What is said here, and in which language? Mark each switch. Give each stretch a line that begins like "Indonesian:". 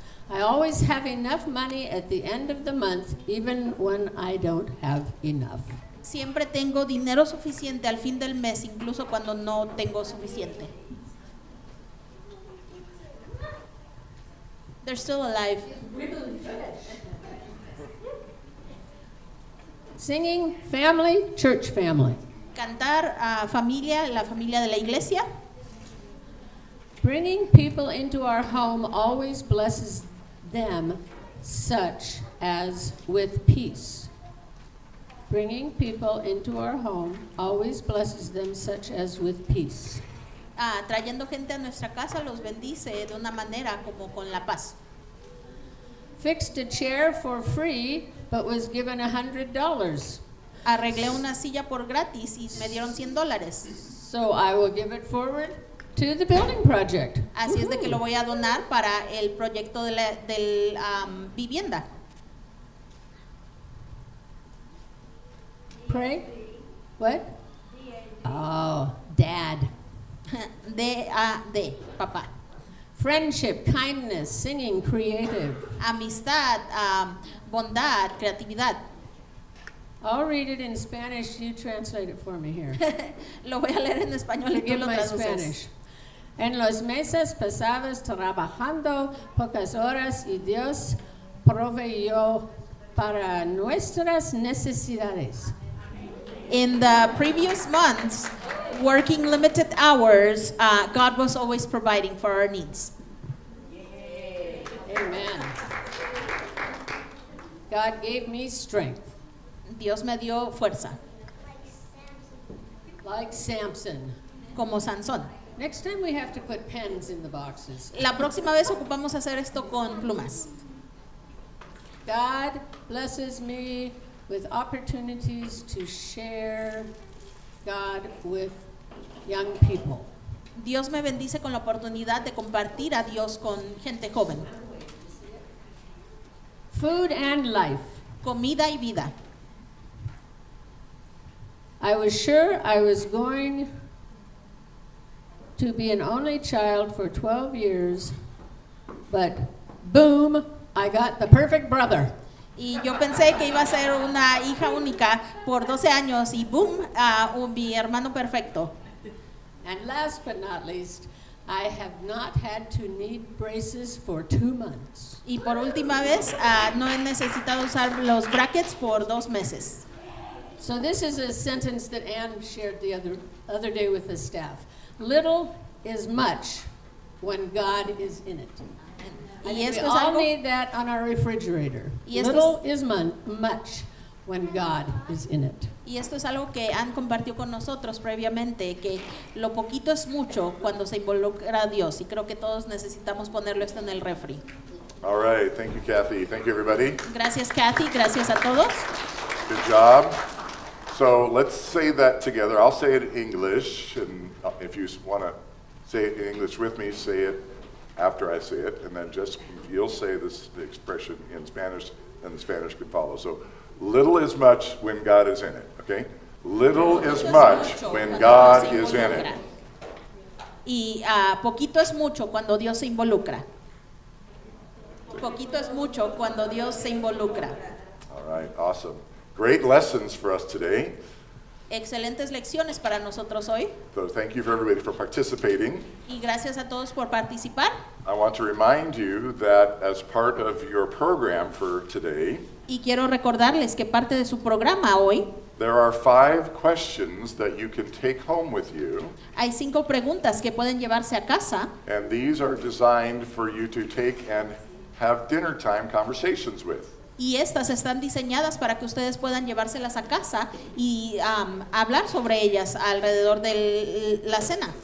English: I always have enough money at the end of the month, even when I don't have enough.
Spanish: Siempre tengo dinero suficiente al fin del mes, incluso cuando no tengo suficiente.
English: They're still alive. Singing, family, church family.
Spanish: Cantar a familia, la familia de la iglesia.
English: Bringing people into our home always blesses them, such as with peace. Bringing people into our home always blesses them, such as with peace.
Spanish: Trayendo gente a nuestra casa los bendice de una manera como con la paz.
English: Fixed a chair for free, but was given $100.
Spanish: Arreglé una silla por gratis y me dieron $100.
English: So I will give it forward to the building project.
Spanish: Así es de que lo voy a donar para el proyecto de la del vivienda.
English: Pray. What? Oh, dad. D-A-D, papá. Friendship, kindness, singing, creative.
Spanish: Amistad, bondad, creatividad.
English: I'll read it in Spanish. You translate it for me here.
Spanish: Lo voy a leer en español y tú lo traduces.
English: Spanish.
Spanish: En los meses pasados trabajando pocas horas y Dios proveyó para nuestras necesidades.
English: In the previous months, working limited hours, God was always providing for our needs. Yay. Amen. God gave me strength.
Spanish: Dios me dio fuerza.
English: Like Samson.
Spanish: Como Sansón.
English: Next time we have to put pens in the boxes.
Spanish: La próxima vez ocupamos hacer esto con plumas.
English: God blesses me with opportunities to share God with young people.
Spanish: Dios me bendice con la oportunidad de compartir a Dios con gente joven.
English: Food and life.
Spanish: Comida y vida.
English: I was sure I was going to be an only child for 12 years, but boom, I got the perfect brother.
Spanish: Y yo pensé que iba a ser una hija única por 12 años y boom, mi hermano perfecto.
English: And last but not least, I have not had to need braces for 2 months.
Spanish: Y por última vez, no he necesitado usar los brackets por 2 meses.
English: So this is a sentence that Anne shared the other day with the staff. Little is much when God is in it.
Spanish: Y esto
English: we
Spanish: es
English: all
Spanish: algo,
English: need that on our refrigerator. Little is much when God is in it.
Spanish: Y esto es algo que Anne compartió con nosotros previamente, que lo poquito es mucho cuando se involucra a Dios. Y creo que todos necesitamos ponerlo esto en el refri.
English: All right. Thank you, Kathy. Thank you, everybody.
Spanish: Gracias, Kathy. Gracias a todos.
English: Good job. So let's say that together. I'll say it in English. And if you want to say it in English with me, say it after I say it, and then just you'll say this the expression in Spanish, and the Spanish can follow. So, little is much when God is in it. Okay, little is much when God is in it.
Spanish: Y poquito es mucho cuando Dios se involucra. Poquito es mucho cuando Dios se involucra.
English: All right, awesome. Great lessons for us today.
Spanish: Excelentes lecciones para nosotros hoy.
English: So thank you for everybody for participating.
Spanish: Y gracias a todos por participar.
English: I want to remind you that as part of your program for today.
Spanish: Y quiero recordarles que parte de su programa hoy.
English: There are 5 questions that you can take home with you.
Spanish: Hay 5 preguntas que pueden llevarse a casa.
English: And these are designed for you to take and have dinner time conversations with.
Spanish: Y estas están diseñadas para que ustedes puedan llevárselas a casa y hablar sobre ellas alrededor de la cena.